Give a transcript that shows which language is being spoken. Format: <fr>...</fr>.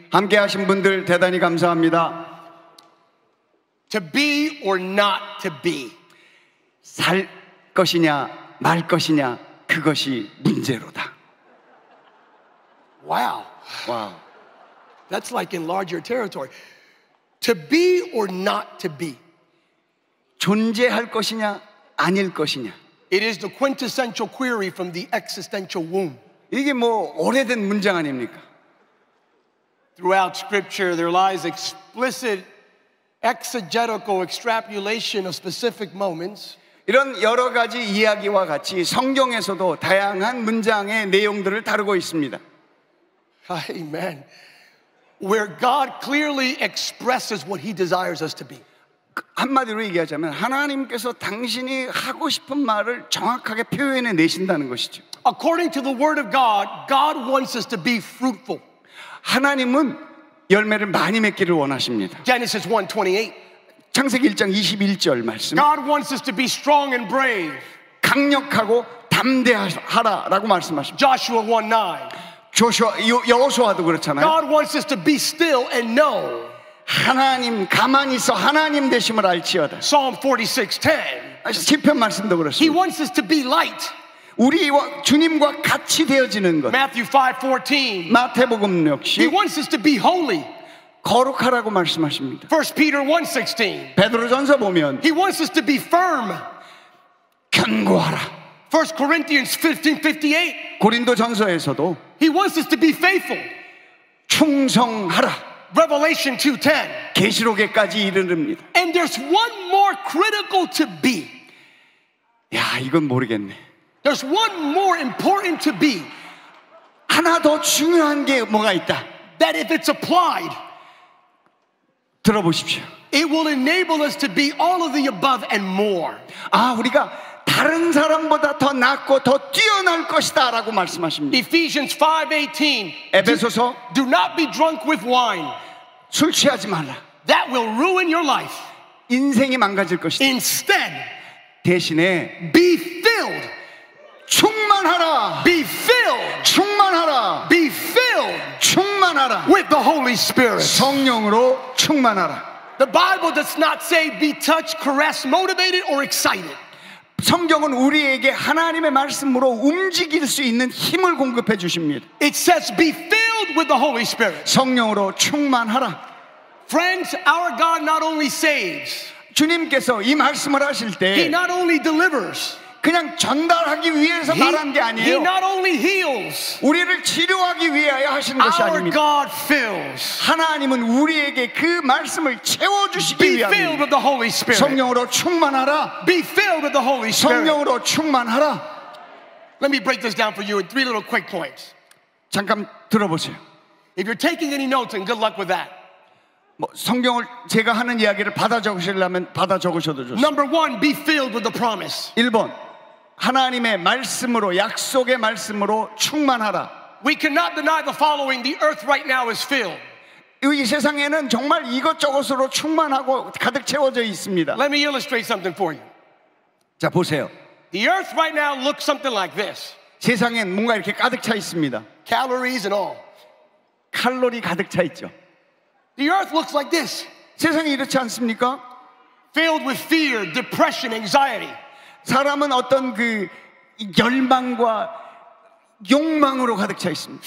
<ko>함께하신 분들 대단히 감사합니다.</ko> <en>To be or not to be.</en> <ko>살 것이냐 말 것이냐 그것이 문제로다.</ko> <en>Wow. Wow. That's like enlarge your territory. To be or not to be.</en> <ko>존재할 것이냐 아닐 것이냐.</ko> <en>It is the quintessential query from the existential womb.</en> <ko>이게 뭐 오래된 문장 아닙니까?</ko> <en>Throughout scripture there lies explicit exegetical extrapolation of specific moments.</en> <ko>이런 여러 가지 이야기와 같이 성경에서도 다양한 문장의 내용들을 다루고 있습니다.</ko> <en>Amen. Where God clearly expresses what he desires us to be.</en> <ko>한마디로 얘기하자면 하나님께서 당신이 하고 싶은 말을 정확하게 표현해 내신다는 것이죠.</ko> <en>According to the word of God, God wants us to be fruitful.</en> <ko>하나님은 열매를 많이 맺기를 원하십니다.</ko> <en>Genesis 1:28.</en> <ko>창세기 1장 21절 말씀.</ko> <en>God wants us to be strong and brave.</en> <ko>강력하고 담대하라라고 말씀하십니다.</ko> <en>Joshua 1:9.</en> <ko>여호수아도 그렇잖아요.</ko> <en>God wants us to be still and know.</en> <ko>하나님 가만히 있어 하나님 되심을 알지어다.</ko> <en>Psalm 46:10.</en> <ko>시편 말씀도 그렇습니다.</ko> <en>He wants us to be light.</en> <ko>우리와 주님과 같이 되어지는 것.</ko> <en>Matthew 5:14.</en> <ko>마태복음 역시.</ko> <en>He wants us to be holy.</en> <ko>거룩하라고 말씀하십니다.</ko> <en>1 Peter 1:16.</en> <ko>베드로전서 보면.</ko> <en>He wants us to be firm.</en> <ko>견고하라.</ko> <en>1 Corinthians 15:58.</en> <ko>고린도전서에서도.</ko> <en>He wants us to be faithful.</en> <ko>충성하라.</ko> <en>Revelation 2:10.</en> <ko>계시록에까지 이르릅니다.</ko> <en>And there's one more critical to be.</en> <ko>야, 이건 모르겠네.</ko> <en>There's one more important to be.</en> <ko>하나 더 중요한 게 뭐가 있다.</ko> <en>That if it's applied.</en> <ko>들어보십시오.</ko> <en>It will enable us to be all of the above and more.</en> <ko>아, 우리가 다른 사람보다 더 낫고 더 뛰어날 것이다 라고 말씀하십니다.</ko> <en>Ephesians 5:18.</en> <ko>에베소서.</ko> <en>Do not be drunk with wine.</en> <ko>술 취하지 말라.</ko> <en>That will ruin your life.</en> <ko>인생이 망가질 것이다.</ko> <en>Instead.</en> <ko>대신에.</ko> <en>Be filled.</en> <ko>충만하라.</ko> <en>Be filled.</en> <ko>충만하라.</ko> <en>Be filled.</en> <ko>충만하라.</ko> <en>With the Holy Spirit.</en> <ko>성령으로 충만하라.</ko> <en>The Bible does not say be touched, caressed, motivated, or excited.</en> <ko>성경은 우리에게 하나님의 말씀으로 움직일 수 있는 힘을 공급해 주십니다.</ko> <en>It says be filled with the Holy Spirit.</en> <ko>성령으로 충만하라.</ko> <en>Friends, our God not only saves.</en> <ko>주님께서 이 말씀을 하실 때</ko> <en>He not only delivers.</en> <ko>그냥 전달하기 위해서 말한 게 아니에요.</ko> <en>He not only heals.</en> <ko>우리를 치료하기 위하여 하신 것이</ko> <en>our</en> <ko>아닙니다.</ko> <en>Our God fills.</en> <ko>하나님은 우리에게 그 말씀을 채워 주시기 위함이에요.</ko> <en>Be filled with the Holy Spirit.</en> <ko>성령으로 충만하라.</ko> <en>Be filled with the Holy Spirit.</en> <ko>성령으로 충만하라.</ko> <en>Let me break this down for you in three little quick points.</en> <ko>잠깐 들어보세요.</ko> <en>If you're taking any notes, good luck with that.</en> <ko>뭐 성경을 제가 하는 이야기를 받아 적으시려면 받아 적으셔도 좋습니다.</ko> <en>Number one, be filled with the promise.</en> <ko>1번. 하나님의 말씀으로 약속의 말씀으로 충만하라.</ko> <en>We cannot deny the following. The earth right now is filled.</en> <ko>이 세상에는 정말 이것저것으로 충만하고 가득 채워져 있습니다.</ko> <en>Let me illustrate something for you.</en> <ko>자 보세요.</ko> <en>The earth right now looks something like this.</en> <ko>세상엔 뭔가 이렇게 가득 차 있습니다.</ko> <en>Calories and all.</en> <ko>칼로리 가득 차 있죠.</ko> <en>The earth looks like this.</en> <ko>세상이 이렇지 않습니까?</ko> <en>Filled with fear, depression, anxiety.</en> <ko>사람은 어떤 그 열망과 욕망으로 가득 차 있습니다.</ko>